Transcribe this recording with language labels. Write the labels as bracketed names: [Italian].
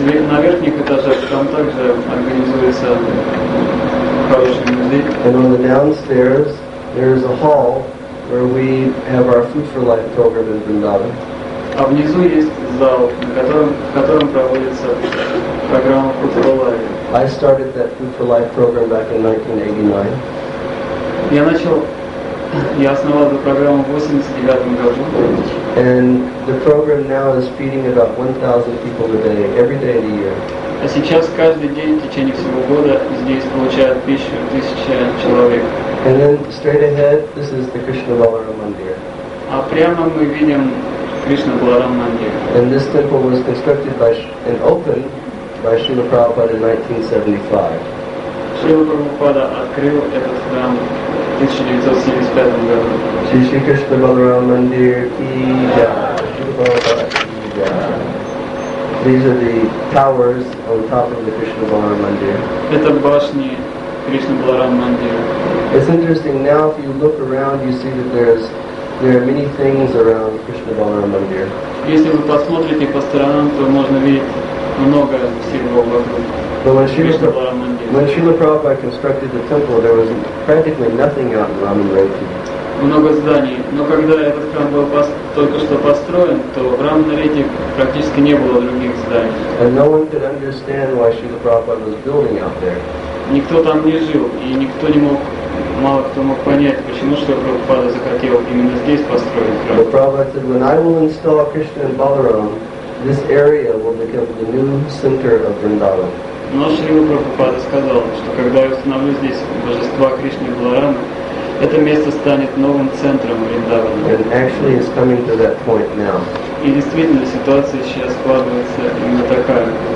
[Russian] На верхних этажах там также организуется [English] And on the downstairs, there is a hall where we have our Food for Life program in Vrindavan. [Russian] А внизу есть зал, в котором проводится программа Food for Life. [English] I started that Food for Life program back in 1989. [Russian] Я основал эту программу в 89 году. [English] And the program now is feeding about 1,000 people a day, every day of the year. [Russian] А сейчас каждый день в течение всего года здесь получают пищу 1000 человек. [English] And then straight ahead, this is the Krishna Balaram Mandir. [Russian] А прямо мы видим Krishna Balaram Mandir. [English] And this temple was constructed and opened by Srila Prabhupada in 1975. [Russian] Srila Prabhupada открыл этот храм в 1975 году. [Hindi] Shri Krishna Balaram Mandir Ki Jai. Srila Prabhupada Ki Jai. [English] These are the towers on top of the Krishna Balaram Mandir. [Russian] Это башни Krishna Balaram Mandir. [English] It's interesting. Now, if you look around, you see that there are many things around Krishna Balaram Mandir. [Russian] Если вы посмотрите по сторонам, то можно видеть много всего вокруг. [English] When Srila Prabhupada constructed the temple, there was practically nothing out in Ramanareti. [Russian] Много зданий, но когда этот храм был только что построен, то в Рамнарете практически не было других зданий. [English] And no one could understand why Srila Prabhupada was building out there. [Russian] Никто там не жил, и мало кто мог понять, почему Шрила Прабхупада захотел именно здесь построить храм. [English] The Prabhupada said, when I will install Krishna in Balaram, this area will become the new center of Vrindavan. [Russian] Но Шрила Прабхупада сказал, что когда я установлю здесь божества Кришны Баларамы, Это место станет новым центром Вриндавана. [English] And actually is coming to that point now. [Russian] И действительно, ситуация сейчас складывается именно такая.